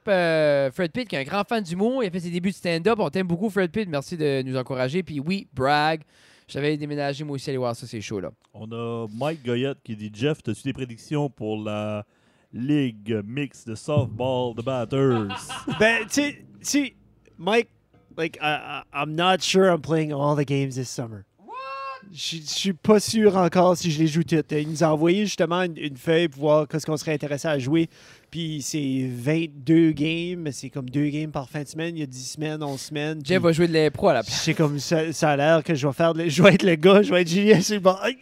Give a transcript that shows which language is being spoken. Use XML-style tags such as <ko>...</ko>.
<fr>Fred Pitt, qui est un grand fan d'humour, il a fait ses débuts de stand-up. On t'aime beaucoup, Fred Pitt. Merci de nous encourager. Puis oui, brag. J'avais déménagé, moi aussi, aller voir ça, c'est chaud, là. On a Mike Goyette qui dit, « Jeff, t'as-tu des prédictions pour la Ligue mixte de softball de batters? » Ben, tu sais,</fr> <en>Mike, like, I'm not sure I'm playing all the games this summer. What?</en> <fr>Je suis pas sûr encore si je les joue toutes. Il nous a envoyé justement une feuille pour voir qu'est-ce qu'on serait intéressé à jouer. Puis c'est 22 games, c'est comme 2 games par fin de semaine, il y a 10 semaines, 11 semaines. Jeff va jouer de l'impro à la place. C'est comme ça a l'air que je vais être le gars, je vais être Julien, c'est bon.</fr>